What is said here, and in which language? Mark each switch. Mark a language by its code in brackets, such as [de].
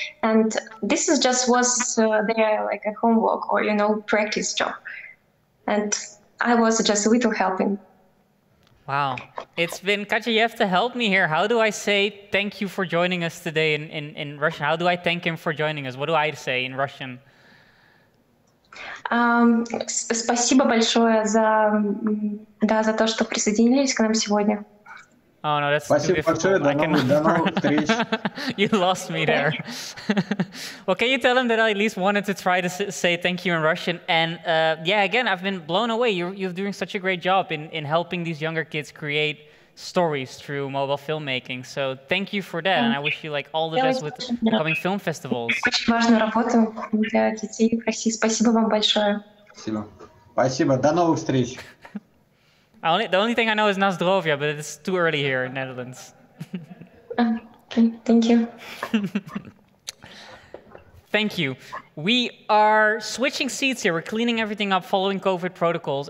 [en] And this is just was their like a homework or, you know, practice job. And I was just a little helping. Wow. It's been, Katja, you have to help me here. How do I say thank you for joining us today in Russian? How do I thank him for joining us? What do I say in Russian? [ru] Спасибо большое за то, что присоединились к нам сегодня. [en] Oh no, that's [ru] спасибо [en] too difficult. [ru] Большое, до новых встреч. [en] You lost me there. Well, can you tell him that I at least wanted to try to say thank you in Russian? And again, I've been blown away. You're doing such a great job in helping these younger kids create stories through mobile filmmaking. So thank you for that. And I wish you like all the best with coming film festivals. [ru] Очень важную работу для детей в России. Спасибо вам большое. Спасибо. До новых встреч. [en] The only thing I know is Nazdrovia, but it's too early here in Netherlands. Thank you. Thank you. We are switching seats here. We're cleaning everything up following COVID protocols.